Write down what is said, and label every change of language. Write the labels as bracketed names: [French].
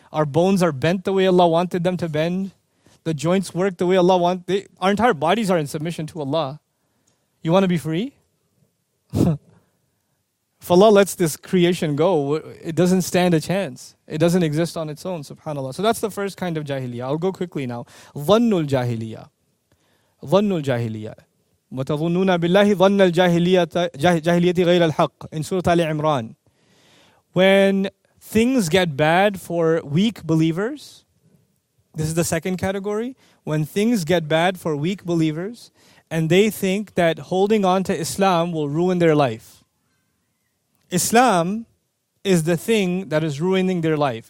[English] Our bones are bent the way Allah wanted them to bend. The joints work the way Allah wants. Our entire bodies are in submission to Allah. You want to be free? If Allah lets this creation go, it doesn't stand a chance. It doesn't exist on its own, subhanAllah. So that's the first kind of jahiliyyah. I'll go quickly now. Dhannul jahiliyyah. Dhannul jahiliyyah. [Arabic] وَتَظُنُّونَ بِاللَّهِ ظَنَّ الْجَاهِلِيَّةِ غَيْرَ الْحَقِّ [English] in Surah Ali Imran. When things get bad for weak believers, this is the second category, when things get bad for weak believers and they think that holding on to Islam will ruin their life. Islam is the thing that is ruining their life.